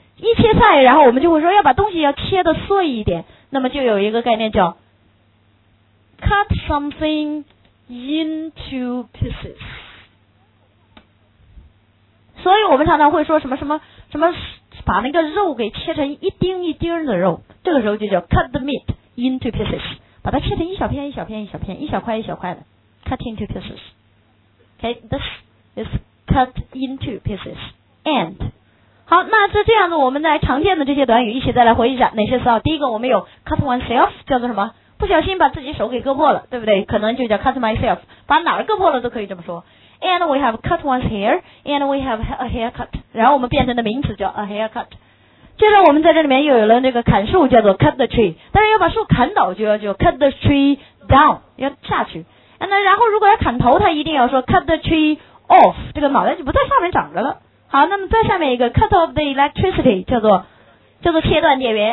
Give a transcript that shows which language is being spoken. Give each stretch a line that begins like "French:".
Chinese: 一切菜，然后我们就会说要把东西要切得碎一点，那么就有一个概念叫
English: cut something into pieces。
Chinese: 所以我们常常会说什么什么什么，把那个肉给切成一丁一丁的肉，这个时候就叫
English: cut the meat into pieces，
Chinese: 把它切成一小片一小片一小片，一小块一小块的
English: cut into pieces。 OK， this is cut into pieces and。
Chinese: 好，那是这样的，我们在常见的这些短语一起再来回忆一下哪些词啊。第一个我们有
English: cut oneself，
Chinese: 叫做什么，不小心把自己手给割破了，对不对？可能就叫
English: cut myself，
Chinese: 把哪儿割破了都可以这么说。
English: and we have cut one's hair and we have a haircut，
Chinese: 然后我们变成的名词叫
English: a haircut。
Chinese: 接着我们在这里面又有了那个砍树叫做
English: cut the tree，
Chinese: 但是要把树砍倒就要叫
English: cut the tree down，
Chinese: 要下去。那然后如果要砍头他一定要说
English: cut the tree off，
Chinese: 这个脑袋就不在上面长着了。好，那么再下面一个
English: cut off the electricity
Chinese: 叫做切断电源。